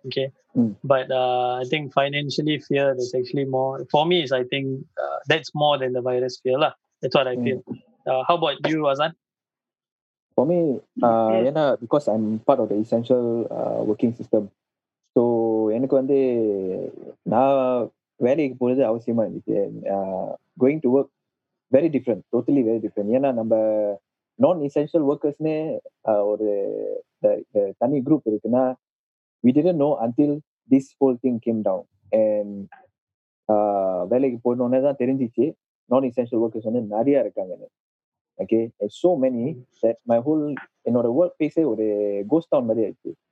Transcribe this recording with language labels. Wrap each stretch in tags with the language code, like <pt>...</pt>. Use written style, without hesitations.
<en>Okay, but I think financially fear is actually more for me, is I think that's more than the virus fear la, that's what I feel. How about you, Azan? For me, because I'm part of the essential working system. So</en> <ta>எனக்கு வந்து நான் வேலைக்கு போகிறது அவசியமாக இருந்துச்சு.</ta> <en>Going to work very different, totally very different.</en> <ta>ஏன்னா நம்ம நான்</ta> <en>essential ஒர்க்கர்ஸ்னே</en> <ta>ஒரு தனி குரூப் இருக்குன்னா,</ta> <en>We didn't know until this whole thing came down.</en> <ta>And வேலைக்கு போகணுன்னே தான் தெரிஞ்சிச்சு நான் எசென்ஷியல் ஒர்க்கர்ஸ் வந்து நிறையா இருக்காங்கன்னு.</ta> <en>Okay, so many that my whole in our workplace is a ghost town</en> <ta>mari aichu.</ta>